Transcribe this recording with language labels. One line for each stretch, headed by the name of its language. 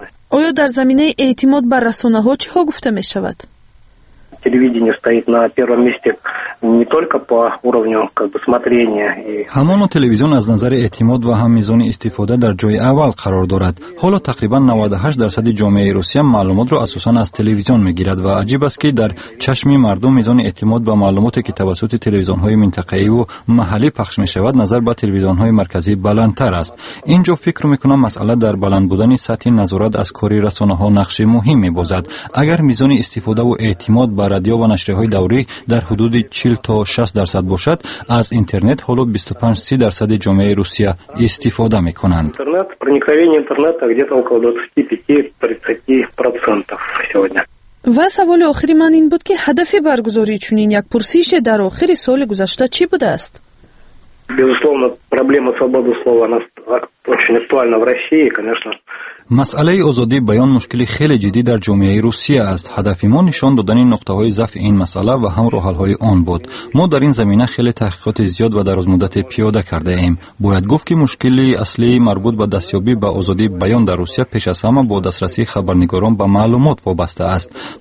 Persian: آیا در زمینه اعتماد به رسانه ها چی ها گفته می شود؟
Russian: телевидение стоит на первом месте не только по уровню смотрения.
Tajik: Хамон телевизион аз назари эътимод ва ҳам мизони истифода дар ҷои аввал қарор дорад. Ҳоло тақрибан 98% ҷомеаи Русия маълумотро асосан аз телевизион мегирад ва аҷиб аст ки дар чашми мардум мизони эътимод ба маълумоте ки тавассути телевизионҳои минтақаӣ ва маҳаллӣ пахш мешавад назар ба телевизионҳои марказӣ баландтар аст. Инҷо фикр мекунам масъала дар баланд будани сатҳи назорат аз кори расонаҳо нақши муҳим мебозад. Агар мизони истифода ва эътимод
Persian: با رادیو و نشریه های دوری در حدود 40-60% باشد، از اینترنت حالا 25-30% جامعه روسیه استفاده می کنند. و سوال آخری من این بود که هدف برگزاری چنین یک پرسیش در آخر سال گذشته چی بوده است؟
Russian: безусловно проблема свободы слова она очень актуальна в России конечно
Persian: مسئله آزادی بیان مشکلی خیلی جدی در جامعه روسیه است. هدف ما نشان دادن نقطه های ضعف این مسئله و هم راه حل های آن بود. ما در این زمینه خیلی تحقیقات زیاد و دراز مدت پیاده کرده ایم. باید گفت که مشکلی اصلی مربوط به دستیابی به آزادی بیان در روسیه پیش از همه با دسترسی خبرنگاران به معلومات وابسته است.